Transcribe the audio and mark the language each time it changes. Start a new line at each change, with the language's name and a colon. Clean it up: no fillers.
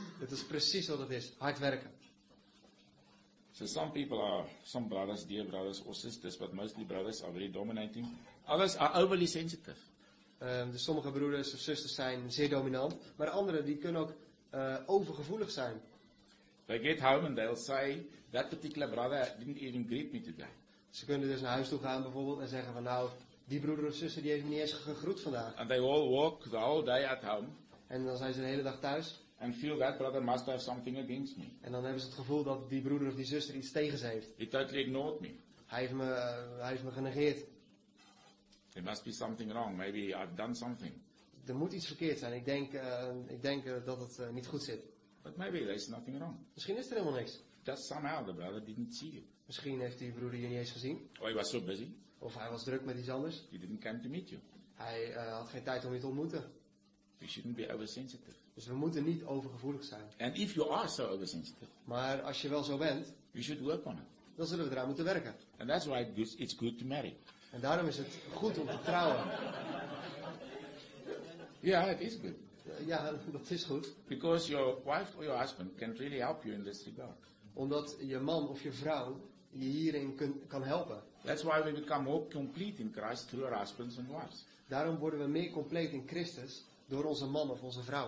Dutch: Het is precies wat het is, hard werken.
English: So some people are, some brothers, dear brothers or sisters, but mostly brothers are very dominating. Others are overly sensitive.
Dutch: Dus sommige broeders of zusters zijn zeer dominant, maar anderen die kunnen ook overgevoelig zijn.
English: They get home and they'll say, that particular brother didn't even greet me today.
Dutch: Ze kunnen dus naar huis toe gaan bijvoorbeeld en zeggen van nou, die broeder of zuster die heeft me niet eens gegroet vandaag.
English: And they all walk the whole day at home.
Dutch: En dan zijn ze de hele dag thuis.
English: And feel that brother must have something against me.
Dutch: En dan hebben ze het gevoel dat die broeder of die zuster iets tegen ze heeft.
English: He totally ignored me.
Dutch: Hij heeft me genegeerd.
English: There must be something wrong. Maybe I've done something.
Dutch: Er moet iets verkeerd zijn. Ik denk dat het niet goed zit.
English: But maybe there's nothing wrong.
Dutch: Misschien is er helemaal niks.
English: Just somehow the brother didn't see you.
Dutch: Misschien heeft die broeder je niet eens gezien.
English: Oh, he was so busy.
Dutch: Of hij was druk met iets anders.
English: He didn't come to meet you.
Dutch: Hij had geen tijd om je te ontmoeten.
English: We shouldn't be oversensitive.
Dutch: Dus we moeten niet overgevoelig zijn.
English: And if you are so oversensitive.
Dutch: Maar als je wel zo bent.
English: We should work on it.
Dutch: Dan zullen we eraan moeten werken.
English: And that's why it's good to marry.
Dutch: En daarom is het goed om te trouwen.
English: Ja, yeah, it is good.
Dutch: Ja, dat is goed.
English: Because your wife or your husband can really help you in this regard.
Dutch: Omdat je man of je vrouw je hierin kan helpen.
English: That's why we become more complete in Christ through our husbands and wives.
Dutch: Daarom worden we meer compleet in Christus door onze man of onze vrouw.